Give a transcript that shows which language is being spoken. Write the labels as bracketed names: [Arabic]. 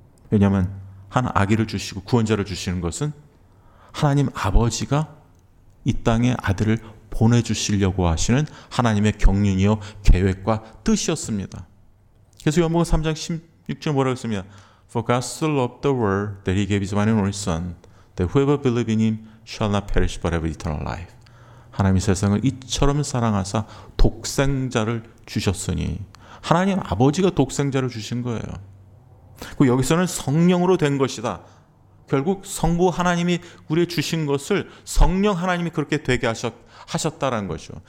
[Korean] 왜냐하면 한 아기를 주시고 구원자를 주시는 것은 하나님 아버지가 이 땅에 아들을 보내주시려고 하시는 하나님의 경륜이요 계획과 뜻이었습니다. 그래서 요한복음 3장 16절 뭐라고 했습니다. [English] For God so loved the world that he gave his one and only son that whoever believes in him shall not perish but have eternal life. [Korean] 하나님이 세상을 이처럼 사랑하사 독생자를 주셨으니 하나님 아버지가 독생자를 주신 거예요. 그 여기서는 성령으로 된 것이다. 결국 성부 하나님이 우리에 주신 것을 성령 하나님이 그렇게 되게 하셨다라는 것이죠.